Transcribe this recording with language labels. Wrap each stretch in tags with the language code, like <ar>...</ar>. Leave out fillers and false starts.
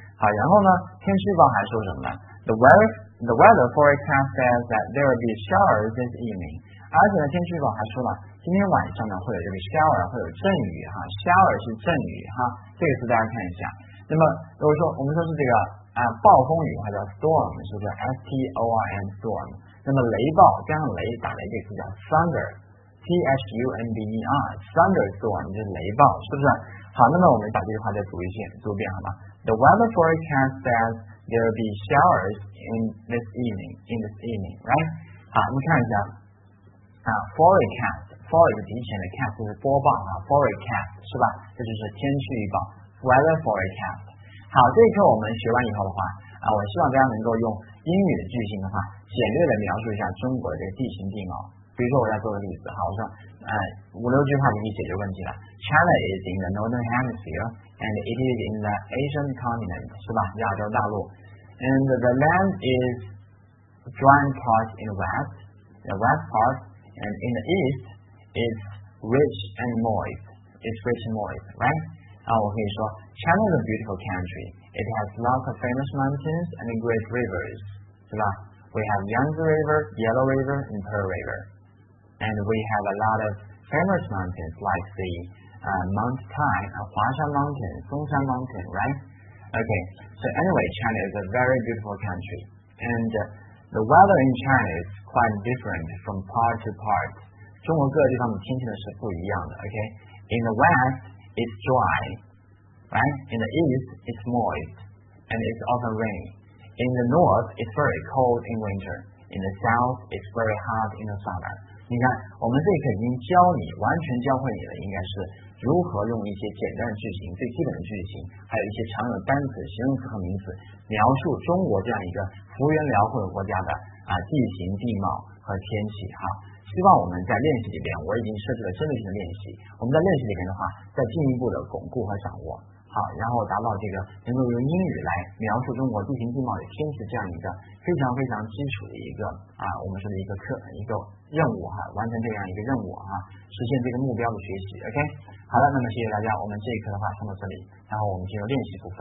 <zh>好，然后呢，天气预报还说什么呢</zh> <en>？The weather forecast says that there will be showers this evening.</en> <zh>而且呢，天气预报还说了。今天晚上呢，会有这个 shower， 会有阵雨哈。shower 是阵雨哈，这个词大家看一下。那么如果说我们说是这个暴风雨，它叫 storm， 是不是 ？S T O R M storm。那么雷暴加上雷打雷，这个词叫 thunder，T H U N D E R thunder storm 就是雷暴，是不是？好，那么我们把这句话再读一遍好吗</zh> <en>？The weather forecast says there will be showers in this evening.</en> <zh>Right？ 好，我们看一下forecast。 Forecast 提前的 cast 是播报啊 ，forecast 是吧？这就是天气预报 ，weather forecast。好，这一课我们学完以后的话我希望大家能够用英语的句型的话，简略的描述一下中国的这个地形地貌。比如说我要做个例子，好，我说五六句话就可以解决问题了。</zh> <en>China is in the northern hemisphere and it is in the Asian continent， 是吧？</en> <zh>亚洲大陆。</zh> <en>And the land is dry part in the west part and in the east。 It's rich and moist. Right?</en> <zh>我可以说</zh> <en>China is a beautiful country. It has lots of famous mountains and great rivers. 是吧 We have Yangtze River, Yellow River, and Pearl River. And we have a lot of famous mountains like the Mount Tai, Hua Shan Mountain, Song Shan Mountain, right? Okay, so anyway, China is a very beautiful country. And the weather in China is quite different from part to part.</en> <zh>中国各地方的天气呢是不一样的 ，OK。</zh> <en>In the west, it's dry, right? In the east, it's moist, and it's often rainy. In the north, it's very cold in winter. In the south, it's very hot in the summer.</en> <zh>你看，我们这一课已经教你，完全教会你了，应该是如何用一些简单的句型、最基本的句型，还有一些常用的单词、形容词和名词，描述中国这样一个幅员辽阔的国家的地形、地貌和天气，哈。希望我们在练习里边，我已经设置了针对性的练习。我们在练习里边的话，再进一步的巩固和掌握，好，然后达到这个能够用英语来描述中国地形地貌与天气这样一个非常非常基础的一个我们说的一个任务哈，完成这样一个任务啊，实现这个目标的学习。OK， 好了，那么谢谢大家，我们这一课的话上到这里，然后我们进入练习部分。</zh>